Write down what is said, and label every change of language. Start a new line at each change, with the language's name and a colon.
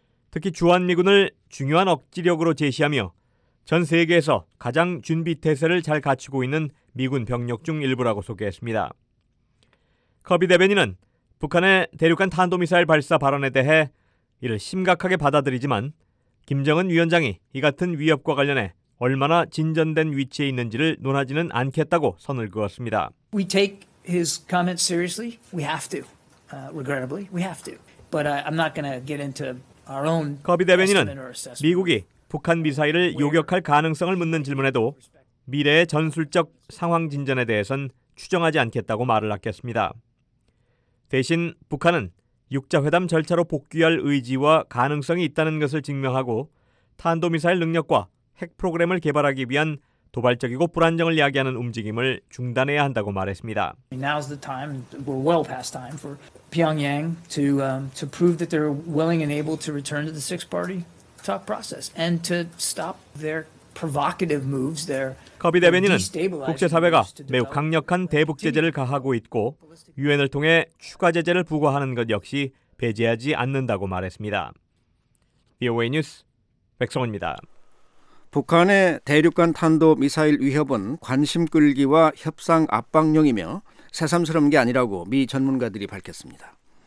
Korean: 특히 주한 미군을 중요한 억지력으로 제시하며 전 세계에서 가장 준비 태세를 잘 갖추고 있는 미군 병력 중 일부라고 소개했습니다. 커비 대변인은 북한의 대륙간 탄도미사일 발사 발언에 대해 이를 심각하게 받아들이지만 김정은 위원장이 이 같은 위협과 관련해 얼마나 진전된 위치에 있는지를 논하지는 않겠다고 선을 그었습니다.
English: We take his comments seriously. We have to. Regrettably, we have to. But I'm not going to get into
Korean: 커비 대변인은 미국이 북한 미사일을 요격할 가능성을 묻는 질문에도 미래의 전술적 상황 진전에 대해선 추정하지 않겠다고 말을 아꼈습니다. 대신 북한은 육자회담 절차로 복귀할 의지와 가능성이 있다는 것을 증명하고 탄도미사일 능력과 핵 프로그램을 개발하기 위한 도발적이고 불안정을 야기하는 움직임을 중단해야 한다고 말했습니다.
English: Now's the time. We're well past time for Pyongyang to prove that they're willing and able to return to the Six Party Talk process and to stop their provocative moves there.
Korean: 커비 대변인은 국제사회가 매우 강력한 대북 제재를 가하고 있고 유엔을 통해 추가 제재를 부과하는 것 역시 배제하지 않는다고 말했습니다. VOA 뉴스 백성원입니다. 북한의 대륙간 탄도미사일 위협은 관심 끌기와 협상 압박용이며 새삼스러운 게 아니라고 미 전문가들이 밝혔습니다.